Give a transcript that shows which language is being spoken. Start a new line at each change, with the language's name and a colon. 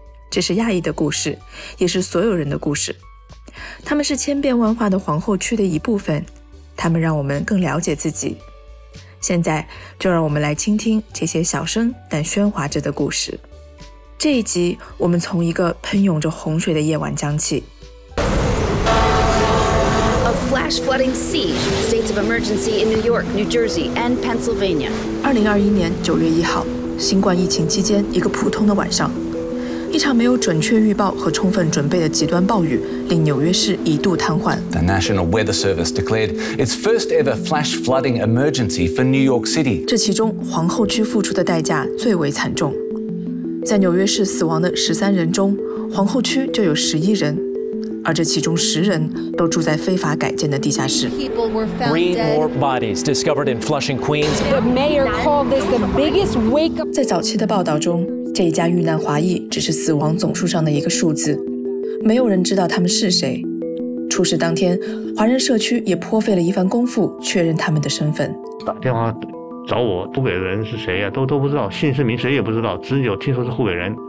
Chinese: 这是亚裔的故事，也是所有人的故事。他们是千变万化的皇后区的一部分，他们让我们更了解自己。现在就让我们来倾听这些小声但喧哗着的故事。这一集我们从一个喷涌着洪水的夜晚讲起。
English: A flash flooding sea. States of emergency in New York, New Jersey and Pennsylvania.
Chinese: 2021年9月1号，新冠疫情期间一个普通的晚上，一场没有准确预报和充分准备的极端暴雨令纽约市一度瘫痪。
English: The National Weather Service declared its first ever flash flooding emergency for New York City.
Chinese: 这其中皇后区付出的代价最为惨重。在纽约市死亡的13人中，皇后区就有11人，而这其中10人都住在非法改建的地下室。
English: Three more bodies discovered in Flushing, Queens. The mayor called this the biggest wake up.
Chinese: 在早期的报道中，这一家遇难华裔只是死亡总数上的一个数字，没有人知道他们是谁。出事当天，华人社区也颇费了一番功夫确认他们的身份。打电话找我，湖北人是谁呀、啊？都不知道，姓是名谁也不知道，只有听说是湖北人。